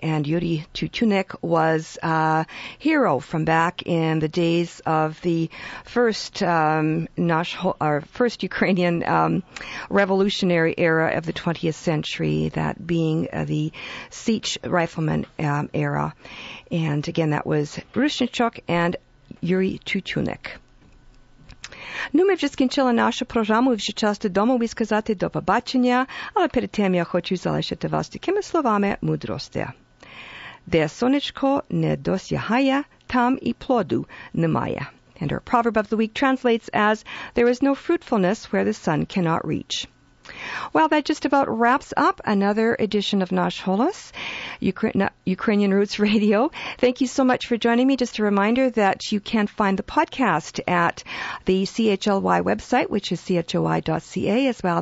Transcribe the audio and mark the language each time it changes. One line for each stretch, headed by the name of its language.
English: And Yuri Tutunik was a hero from back in the days of the first Ukrainian revolutionary era of the 20th century, that being the siege rifleman era. And again, that was Rushnichuk and Yuri Tutunik.
Ukrainian: Ну, ми вже скінчили нашу програму, і вже час додому ви сказати до побачення, але перед тим я хочу залишити вас такими словами мудрості. Де сонечко не досягає, там і плоду немає.
English: And our proverb of the week translates as, there is no fruitfulness where the sun cannot reach. Well, that just about wraps up another edition of Nash Holos, Ukrainian Roots Radio. Thank you so much for joining me. Just a reminder that you can find the podcast at the CHLY website, which is choy.ca, as well.